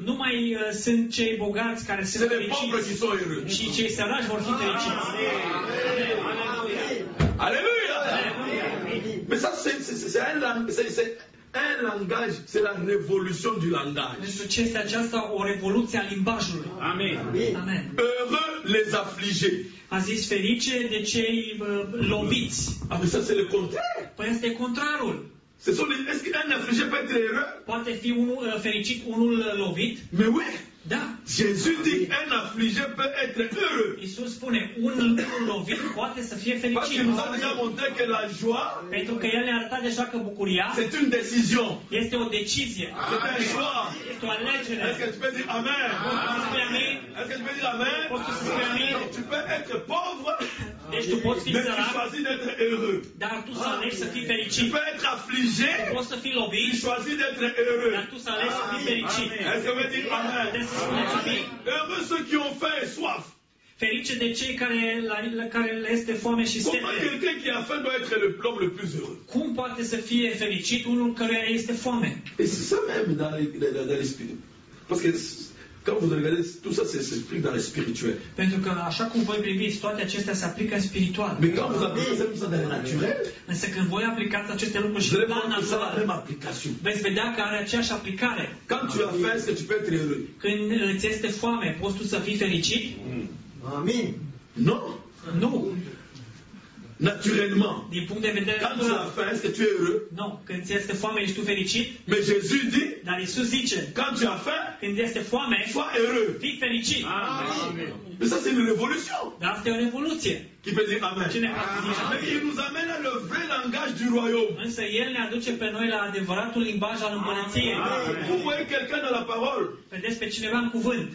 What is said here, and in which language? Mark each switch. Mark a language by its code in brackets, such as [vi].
[ro] Nu mai sunt cei bogați care sunt fericiți. [fr] Pauvres qui sont heureux. [ro] Și cei săraci vor fi fericiți. [fr] Alléluia. Mais ça c'est un langage, c'est la révolution du langage. [ro] Pentru că este aceasta o revoluție a limbajului. [fr] Amen. [ro] Amen. [fr] Heureux les affligés. [ro] A zis ferice de cei loviți. [fr] Mais ça c'est le contraire. [ro] Păi asta e contrarul. [fr] Est-ce qu'un affligé peut être heureux? [ro] Poate fi unul fericit, unul lovit? [fr] Mais oui. [ro] Da. [fr] Jésus dit un affligé peut être heureux. [ro] Iisus spune un lovit poate să fie fericit. [fr] Parce qu'il nous a déjà montré que la joie. [ro] Pentru că el ne-a arătat deja că bucuria. [fr] C'est une décision. [ro] Este o decizie. [fr] C'est un choix. [ro] Este o alegere. [fr] Est-ce que tu peux dire amen? Est-ce que tu peux dire amen? Tu peux être pauvre. [ro] Deci tu poți fi sărac, [fr] choisis d'être heureux. [ro] Dar tu să alegi să fii fericit. [fr] Tu peux être affligé. [ro] Tu poți să fii lovit. [fr] Tu choisis d'être heureux. [ro] Dar tu să alegi să fii fericit. [fr] Est-ce que tu veux dire amen? Heureux ceux qui ont faim et soif. [ro] Ferice de cei care le este foame și sete. [fr] Comment quelqu'un qui a faim doit être l'homme le plus heureux? [ro] Cum poate să fie fericit unul care este foame? [fr] Et c'est ça même dans l'esprit. Parce que quand vous regardez tout ça, c'est s'applique dans le spirituel. [ro] Pentru că așa cum voi priviți, toate acestea se aplică în spiritual. [fr] Mais quand vous appliquez ça, ça devient naturel. [ro] Însă când voi aplicați aceste lucruri și în plan natural, veți vedea că are aceeași aplicare. [fr] Quand tu as faim, tu peux être heureux. [ro] Când îți este foame, poți tu să fii fericit? Amin. Nu. Nu. [fr] Naturellement. [ro] Din punct de vedere natural. [fr] Quand tu as faim, est-ce que tu es heureux? Non. [ro] Când ți este foame, ești tu fericit? [fr] Mais Jésus dit. [ro] Dar Iisus zice. [fr] Quand tu as faim. [ro] Când este foame. [fr] Sois heureux. [ro] Fii fericit. [fr] Amen. Mais ça c'est une révolution. [ro] Dar asta e o revoluție. [fr] Qui peut dire amen? [ro] Cine poate zice amen? [fr] Il nous amène le vrai langage du royaume. [ro] Însă el ne aduce pe noi la adevăratul limbaj al împărăției. [fr] Vous voyez quelqu'un dans la parole. [ro] Vedeți pe cineva în cuvânt.